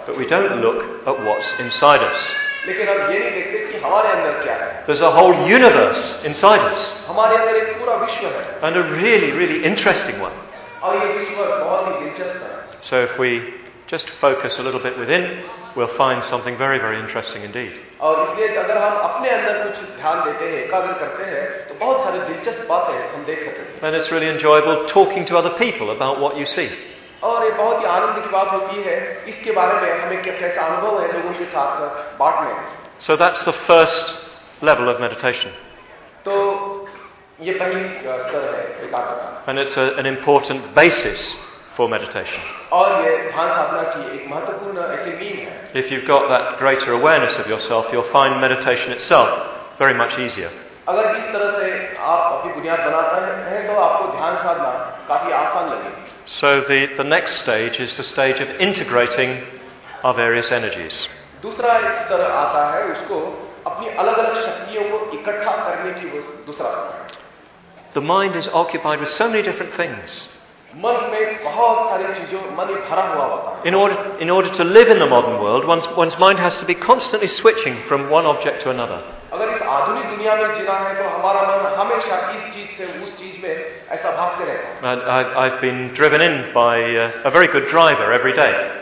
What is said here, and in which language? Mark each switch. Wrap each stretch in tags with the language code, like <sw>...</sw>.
<en>But we don't look at what's inside us.</en> <hi>लेकिन हम ये नहीं देखते कि हमारे अंदर क्या है.</hi> <en>There's a whole universe inside us.</en> <hi>हमारे अंदर एक पूरा विश्व है.</hi> <en>And a really, really interesting one.</en> <hi>और ये विश्व बहुत ही दिलचस्प है.</hi> <en>So if we just focus a little bit within, we'll find something very, very interesting indeed.</en> <hi>और इसलिए अगर हम अपने अंदर कुछ ध्यान देते हैं, एकाग्र करते हैं, तो बहुत सारे दिलचस्प बातें हम देख सकते हैं.</hi> <en>And it's really enjoyable talking to other people about what you see.</en> <hi>और ये बहुत ही आनंद की बात होती है इसके बारे में हमें क्या कैसा अनुभव है लोगों के साथ बांटने में.</hi> <en>So that's the first level of meditation.</en> <hi>तो ये पहली स्तर है एकाग्रता.</hi> <en>And it's an important basis for meditation.</en> <hi>और ये ध्यान साधना की एक महत्वपूर्ण ऐसी बीम है.</hi> <en>If you've got that greater awareness of yourself, you'll find meditation itself very much easier.</en> <hi>अगर इस तरह से आप अपनी बुनियाद बनाते हैं तो आपको ध्यान साधना काफी आसान लगेगी.</hi> <en>So the next stage is the stage of integrating our various energies.</en> <hi>दूसरा स्तर आता है उसको अपनी अलग-अलग शक्तियों को इकट्ठा करने की वो दूसरा स्तर.</hi> <en>The mind is occupied with so many different things.</en> <hi>मन में बहुत सारी चीजों मन भरा हुआ होता है.</hi> <en>In order to live in the modern world, one's mind has to be constantly switching from one object to another.</en> <hi>अगर इस आधुनिक दुनिया में जीना है तो हमारा मन हमेशा इस चीज से उस चीज में ऐसा भागते रहता है.</hi> <en>I've been driven in by a very good driver every day.</en>